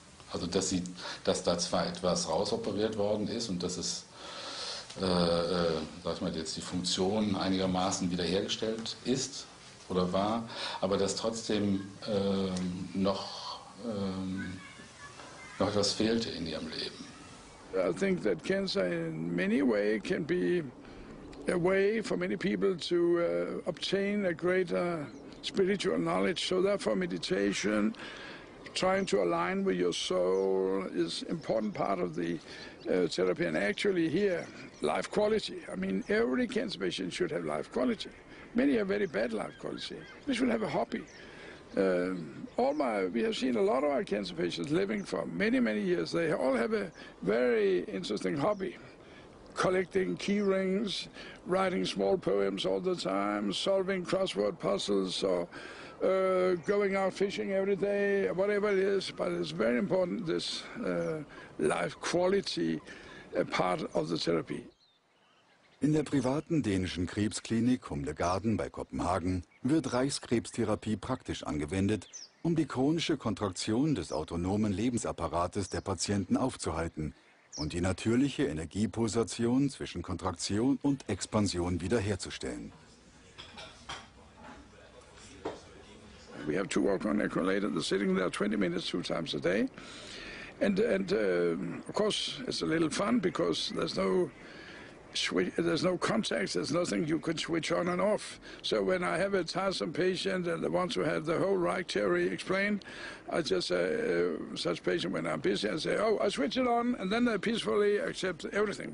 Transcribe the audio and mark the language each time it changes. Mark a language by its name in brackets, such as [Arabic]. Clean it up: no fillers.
[German] Also dass da zwar etwas rausoperiert worden ist und dass es, jetzt die Funktion einigermaßen wiederhergestellt ist oder war, aber dass trotzdem noch etwas fehlte in ihrem Leben. [English] I think that cancer in many way can be a way for many people to obtain a greater spiritual knowledge. So therefore meditation, trying to align with your soul is important part of the therapy. And actually here, life quality. I mean, every cancer patient should have life quality. Many have very bad life quality. They should have a hobby. We have seen a lot of our cancer patients living for many, many years. They all have a very interesting hobby. Collecting key rings, writing small poems all the time, solving crossword puzzles, or going out fishing every day, whatever it is. But it's very important, this life quality, a part of the therapy. [German] In der privaten dänischen Krebsklinik Humle Garden bei Kopenhagen wird Reichskrebstherapie praktisch angewendet, um die chronische Kontraktion des autonomen Lebensapparates der Patienten aufzuhalten und die natürliche Energiepulsation zwischen Kontraktion und Expansion wiederherzustellen. [English] We have to work on equilibrium. The sitting there 20 minutes two times a day. And of course it's a little fun because there's no contact, there's nothing you could switch on and off. So when I have a tiresome patient and the ones who have the whole right theory explained, I just say, such patient when I'm busy, I say, oh, I switch it on, and then they peacefully accept everything.